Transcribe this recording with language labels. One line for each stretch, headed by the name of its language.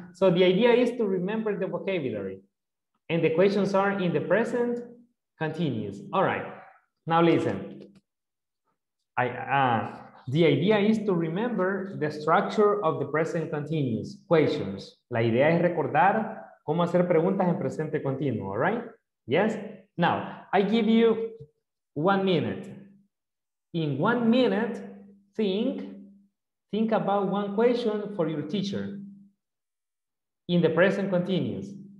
English: So the idea is to remember the vocabulary. And the questions are in the present continuous. All right. Now listen. The idea is to remember the structure of the present continuous questions.
Spanish: La idea es recordar cómo hacer preguntas en presente continuo.
English: All right? Yes? Now, I give you 1 minute. In 1 minute, think about one question for your teacher in the present continuous.